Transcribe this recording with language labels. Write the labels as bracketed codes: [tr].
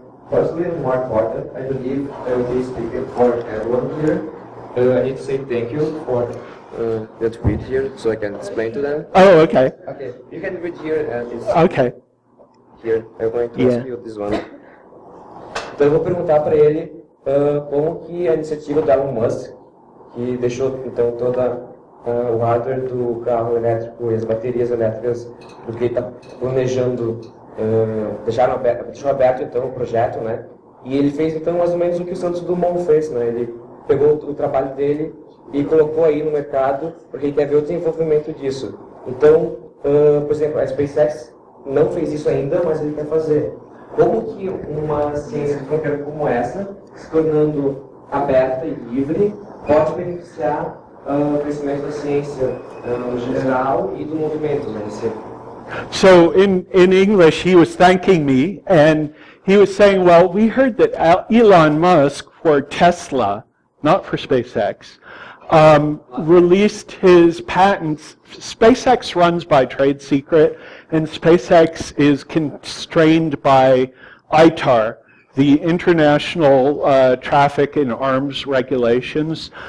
[en] Firstly, on my part, I believe LG is speaking for everyone here. I need to say thank you for that tweet here, so I can explain to them. Oh, okay. Okay, you can read here and it's okay. Here, I'm going to ask you this one. [pt] Então, eu vou perguntar para ele como que a iniciativa do Elon Musk que deixou então toda o hardware do carro elétrico e as baterias elétricas do que ele está planejando deixou aberto então o projeto, né? E ele fez então mais ou menos o que o Santos Dumont fez, né? Ele pegou o trabalho dele e colocou aí no mercado porque ele quer ver o desenvolvimento disso. Então, por exemplo, a SpaceX não fez isso ainda, mas ele quer fazer. Como que uma ciência de fronteira como essa, se tornando aberta e livre, pode beneficiar o crescimento da ciência no geral e do movimento, né? [en] So in English, he was thanking me, and he was saying, well, we heard that Elon Musk for Tesla, not for SpaceX, released his patents. SpaceX runs by trade secret, and SpaceX is constrained by ITAR, the International Traffic in Arms Regulations.